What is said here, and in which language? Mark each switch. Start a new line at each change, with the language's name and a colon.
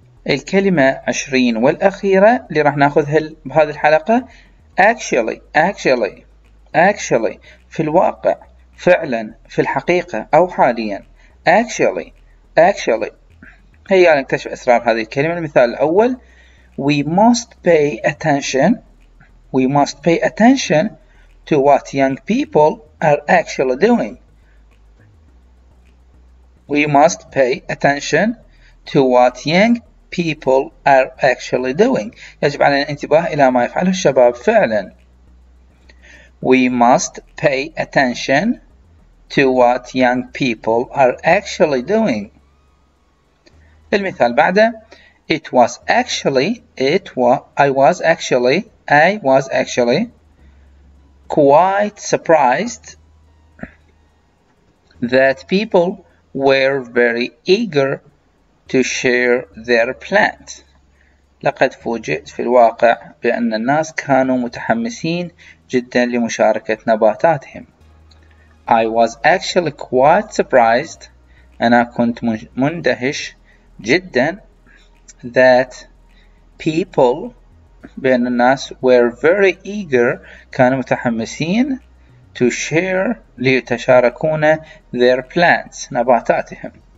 Arabic: الكلمة 20 والأخيرة اللي راح ناخذها بهذه الحلقة actually actually actually في الواقع فعلا في الحقيقة أو حاليا actually actually. هيا نكتشف أسرار هذه الكلمة. المثال الأول
English: we must pay attention we must pay attention to what young people are actually doing. we must pay attention to what young people are actually doing.
Arabic: يجب علينا الانتباه إلى ما يفعله الشباب فعلا.
English: we must pay attention to what young people are actually doing.
Arabic: المثال بعده
English: it was actually it was I was actually I was actually quite surprised that people were very eager to share their plans.
Arabic: لقد فوجئت في الواقع بأن الناس كانوا متحمسين جدا لمشاركة نباتاتهم.
English: I was actually quite surprised.
Arabic: أنا كنت مندهش جدا
English: that people
Arabic: بأن الناس
English: were very eager
Arabic: كانوا متحمسين
English: to share
Arabic: ليتشاركون
English: their plants
Arabic: نباتاتهم.